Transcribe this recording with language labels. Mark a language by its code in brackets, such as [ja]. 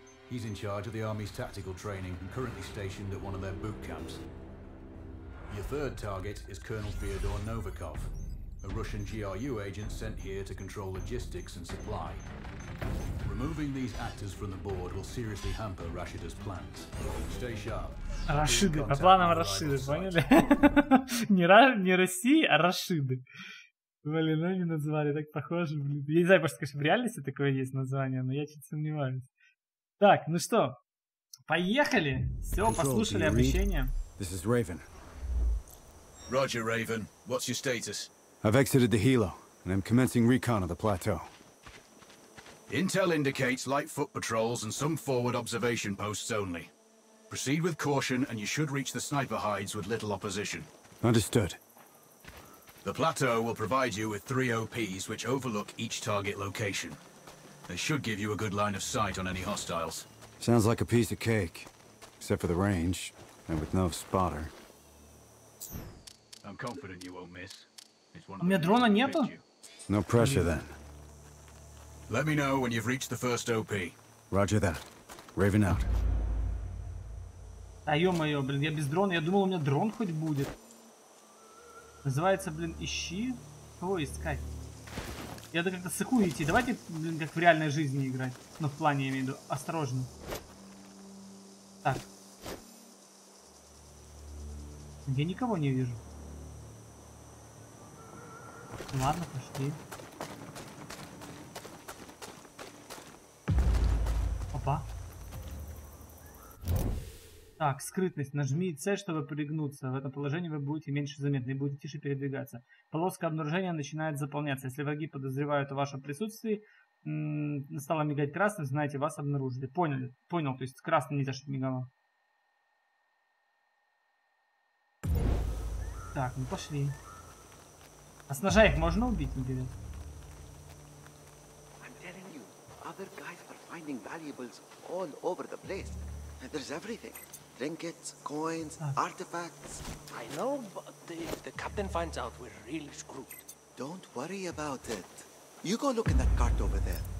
[en] He's in charge of the army's tactical training and currently stationed at one of their boot camps. Your third target is Colonel Fyodor Novikov, a Russian GRU agent sent here to control logistics and supply. Removing these actors from the board will seriously hamper Rashida's plans. Stay sharp. [ru] Рашиды, по планам Рашиды, поняли? не России, а Рашиды. Блин, ну они назвали так похоже. Блин. Я не знаю, просто, конечно, в реальности такое есть название, но я чуть сомневаюсь. Так, ну что, поехали. Все, послушали обещание. [en] This is Raven. Roger, Raven. What's your status? I've exited the Hilo, and I'm commencing recon of the plateau. Intel indicates light foot patrols and some forward observation posts only. Proceed with caution, and you should reach the sniper hides with little opposition. Understood. The plateau will provide you with three OPs which overlook each target location. They should give you a good line of sight on any hostiles. Sounds like a piece of cake, except for the range, and with no spotter. I'm confident you won't miss. [ru] У меня дрона нету? [en] No pressure then. Let me know when you've reached the first OP. Roger that. Raven out. [ru] А ё-моё, блин, я без дрона. Я думал, у меня дрон хоть будет. Называется, блин, ищи. Кого искать? Я-то как-то сыку идти. Давайте, блин, как в реальной жизни играть. Но в плане, я имею в виду, осторожно. Так. Я никого не вижу. Ладно, пошли. Опа. Так, скрытность. Нажми C, чтобы пригнуться. В этом положении вы будете меньше заметны и будете тише передвигаться. Полоска обнаружения начинает заполняться. Если враги подозревают о вашем присутствии, стало мигать красным, знаете, вас обнаружили. Поняли? Понял. То есть красным нельзя, чтобы мигало. Так, ну пошли. А с ножа их можно убить, интересно? [en] I'm telling you, other guys are finding valuables all over the place. And there's everything. Trinkets, coins, artifacts. I know, but if the captain finds out, we're really screwed. Don't worry about it. You go look in that cart over there.